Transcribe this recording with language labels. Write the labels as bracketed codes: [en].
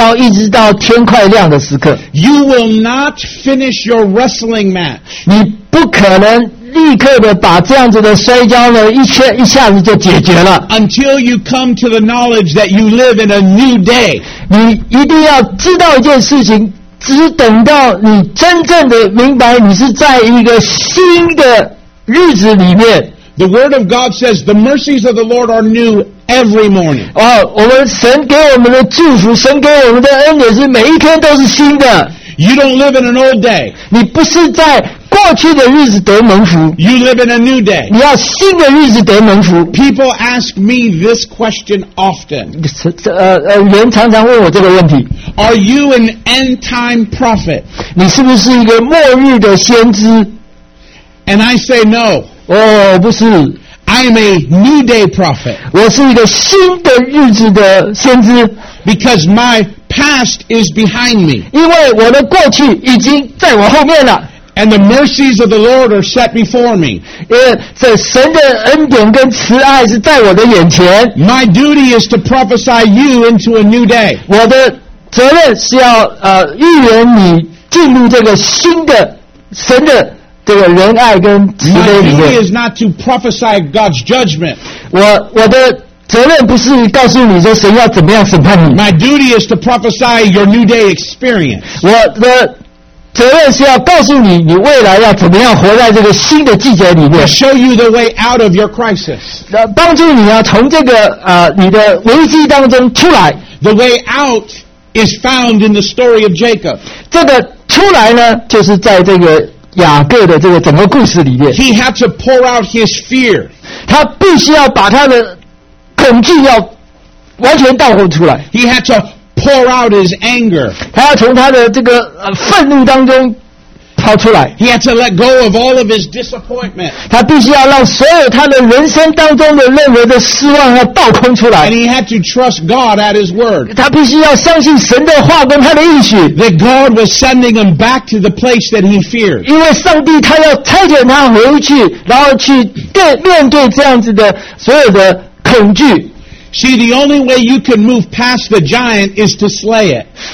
[zh] 他一直到整夜的摔跤，一直到天快亮的时刻。 [en] You will not finish your wrestling match. [zh] 你不可能立刻的把这样子的摔跤呢，一下子就解决了。 [en] Until you come to the knowledge that you live in a new day. [zh] 你一定要知道一件事情，只等到你真正的明白你是在一个新的日子里面。 [en] The word of God says the mercies of the Lord are new every morning. [zh] 我们神给我们的祝福，神给我们的恩典是每一天都是新的。 [en] You don't live in an old day. [zh] 你不是在过去的日子得蒙福。 [en] You live in a new day. [zh] 你要新的日子得蒙福。 [en] People ask me this question often. [zh] 人常常问我这个问题。 [en] Are you an end time prophet? [zh] 你是不是一个末日的先知？ [en] And I say no. [zh] 哦，不是。 [en] I am a new day prophet. [zh] 我是一个新的日子的先知。 [en] Because my past is behind me. [zh] 因为我的过去已经在我后面了。 [en] And the mercies of the Lord are set before me. [zh] 这神的恩典跟慈爱是在我的眼前。 [en] My duty is to prophesy you into a new day. [zh] 我的责任是要预言你进入这个新的神的。 [en] My duty is not to prophesy God's judgment. [zh] 我的责任不是告诉你说神要怎么样审判你。 [en] My duty is to prophesy your new day experience. [zh] 我的责任是要告诉你，你未来要怎么样活在这个新的季节里面。 [en] To show you the way out of your crisis. [zh] 帮助你啊，从这个你的危机当中出来。 [en] The way out is found in the story of Jacob. [zh] 这个出来呢，就是在这个雅各的这个整个故事里面。 [en] He had to pour out his fear. [zh] 他必须要把他的恐惧要完全倒空出来。 [en] He had to pour out his anger. [zh] 他要从他的这个愤怒当中掏出来。 [en] He had to let go of all of his disappointment. [zh] 他必须要让所有他的人生当中的任何的失望要倒空出来。 [en] And he had to trust God at his word. [zh] 他必须要相信神的话跟他的应许。 [en] That God was sending him back to the place that he feared. [zh] 因为上帝他要差遣他回去，然后去面对这样子的所有的恐惧。 [en] See, the only way you can move past the giant is to slay it.